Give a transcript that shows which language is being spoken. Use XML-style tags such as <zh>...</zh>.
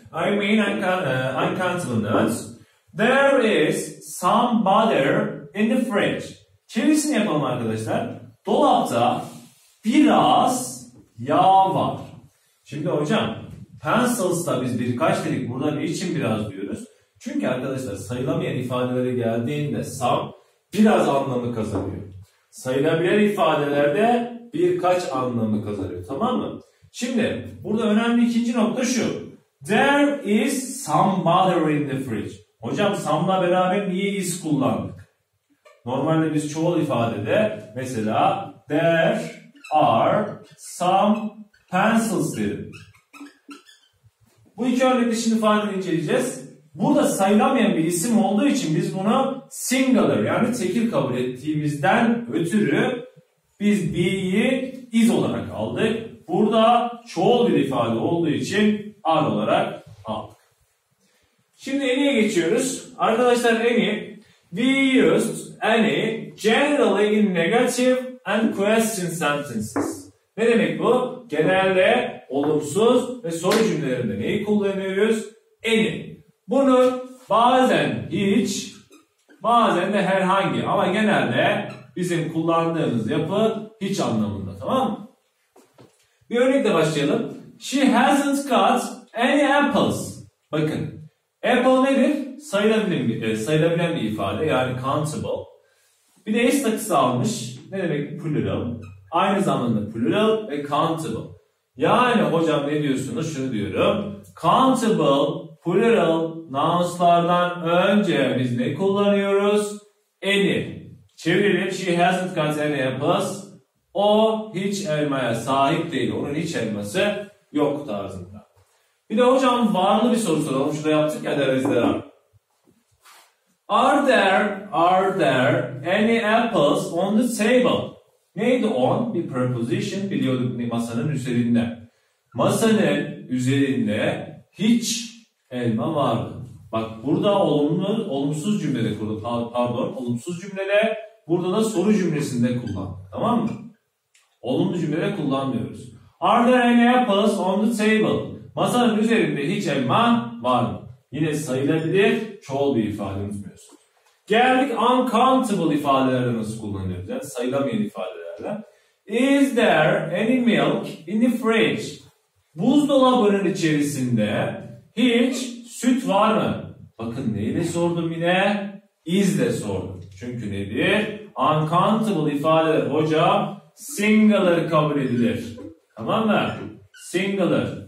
<en>I mean uncountable nouns. There is some butter in the fridge.</en> <tr>Çevirisini yapalım arkadaşlar. Dolapta biraz yağ var. Şimdi hocam pencils'ta biz birkaç dedik. Burada niçin biraz diyoruz? Çünkü arkadaşlar sayılamayan ifadelere geldiğinde some biraz anlamı kazanıyor. Sayılabilir ifadelerde birkaç anlamı kazanıyor. Tamam mı? Şimdi burada önemli ikinci nokta şu.</tr> <en>There is some butter in the fridge.</en> <tr>Hocam some'la beraber niye is kullandık? Normalde biz çoğul ifadede mesela</tr> <en>there are some pencils</en> <tr>derim. Bu iki örnekte şimdi ifadeyi inceleyeceğiz. Burada sayılamayan bir isim olduğu için biz bunu singular yani tekil kabul ettiğimizden ötürü biz be'yi is olarak aldık. Burada çoğul bir ifade olduğu için are olarak aldık. Şimdi any'e geçiyoruz. Arkadaşlar</tr> <en>any, we used any generally in negative and question sentences.</en> <tr>Ne demek bu? Genelde olumsuz ve soru cümlelerinde neyi kullanıyoruz? Any. Bunu bazen hiç, bazen de herhangi ama genelde bizim kullandığımız yapı hiç anlamında, tamam mı? Bir örnekle başlayalım.</tr> <en>She hasn't got any apples.</en> <tr>Bakın. Apple nedir? Sayılabilen bir ifade. Yani countable. Bir de is takısı almış. Ne demek? Plural. aynı zamanda plural ve countable. Yani hocam ne diyorsunuz? Şunu diyorum. Countable, plural nouns'lardan önce biz ne kullanıyoruz? Any. Çevirelim.</tr> <en>She hasn't got any apples.</en> <tr>O hiç elmaya sahip değil. Onun hiç elması yok tarzında. Bir de hocam varlı bir soru soralım. Şurada yaptık ya derizlere.</tr> <en>Are there any apples on the table?</en> <tr>Neydi on? Bir preposition biliyorduk masanın üzerinde. Masanın üzerinde hiç elma vardı. Bak burada olumsuz cümlede kurdum. Pardon, olumsuz cümlede. Burada da soru cümlesinde kullan. Tamam mı? Olumlu cümlede kullanmıyoruz.</tr> <en>Are there any apples on the table?</en> <tr>Masanın üzerinde hiç elma var mı? Yine sayılabilir, çoğul bir ifade unutmuyoruz. Geldik uncountable ifadelerle nasıl kullanıyoruz? Yani sayılamayan ifadelerle.</tr> <en>Is there any milk in the fridge?</en> <tr>Buzdolabının içerisinde hiç süt var mı? Bakın neyle sordum yine? Is de sordum. Çünkü nedir? Uncountable ifadeler hocam singular kabul edilir. Tamam mı? Singular.</tr>